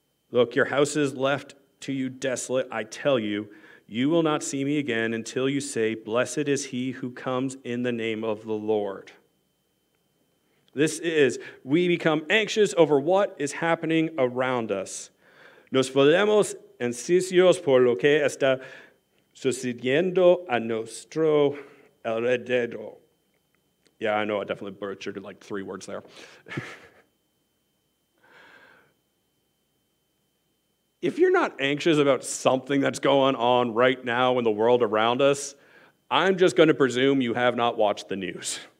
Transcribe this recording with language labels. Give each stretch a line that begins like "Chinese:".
English: Look, your house is left to you desolate. I tell you, you will not see me again until you say, blessed is he who comes in the name of the Lord. This is, we become anxious over what is happening around us.
Spanish: Nos volvemos ansiosos por lo que está sucediendo a nuestro alrededor.
English: Yeah, I know, I definitely butchered like three words there. If you're not anxious about something that's going on right now in the world around us, I'm just going to presume you have not watched the news.